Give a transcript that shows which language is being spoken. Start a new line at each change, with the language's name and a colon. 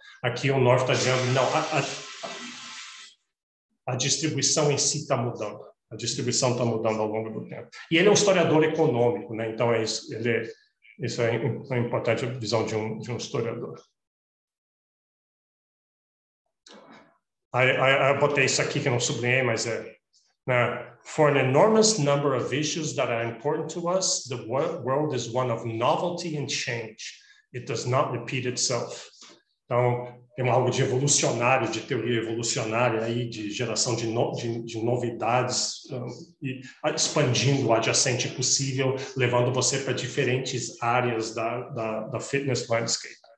Portuguese: Aqui o North está dizendo, não, a distribuição em si está mudando. A distribuição está mudando ao longo do tempo. E ele é um historiador econômico, né? Então é isso, isso é uma importante visão de um historiador. Eu botei isso aqui que não sublinhei, mas é...
English: Now, for an enormous number of issues that are important to us, the world is one of novelty and change. It does not repeat itself.
Portuguese: Então, tem algo de evolucionário, de teoria evolucionária aí, de geração de novidades, e expandindo o adjacente possível, levando você para diferentes áreas da fitness landscape.